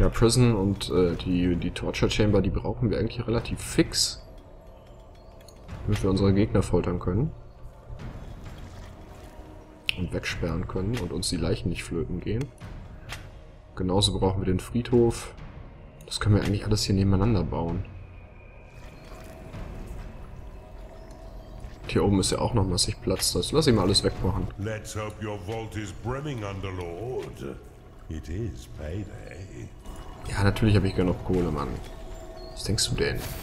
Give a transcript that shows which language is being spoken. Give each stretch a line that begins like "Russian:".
German: Ja, Prison und die Torture Chamber, die brauchen wir eigentlich relativ fix, damit wir unsere Gegner foltern können und wegsperren können und uns die Leichen nicht flöten gehen. Genauso brauchen wir den Friedhof. Das können wir eigentlich alles hier nebeneinander bauen. Hier oben ist ja auch noch massig Platz. Das lass ich mal alles wegmachen.
English: Let's hope your vault is brimming, Underlord. It is payday.
German: Ja, natürlich habe ich genug Kohle, Mann. Was denkst du denn?